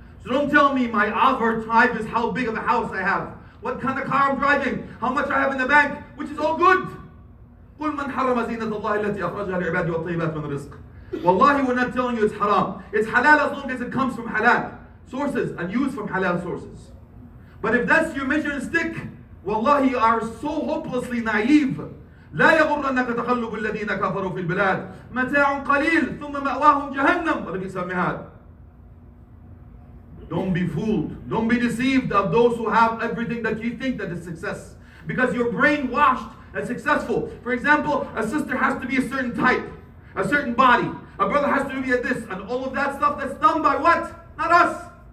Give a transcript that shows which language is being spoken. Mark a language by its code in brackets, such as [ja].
[en] So don't tell me my avatar type is how big of a house I have, what kind of car I'm driving, how much I have in the bank, which is all good. [ar] قُلْ مَنْ حَرَّمَ زِينَةَ اللَّهِ الَّتِي أَخْرَجَهَا الْعِبَادِ وَالطَّيِّبَاتِ مِنَ الرِّزْقِ. [en] Wallahi, we're not telling you it's haram. It's halal as long as it comes from halal sources and used from halal sources. But if that's your measuring stick, wallahi, you are so hopelessly naive. [ar] لا يغرنك تقلب الذين كفروا في البلاد متاع قليل ثم مأواهم جهنم وبئس المآب. [en] Don't be fooled. Don't be deceived of those who have everything that you think that is success. Because you're brainwashed and successful. For example, a sister has to be a certain type, a certain body. A brother has to be at this. And all of that stuff that's done by what? Not us.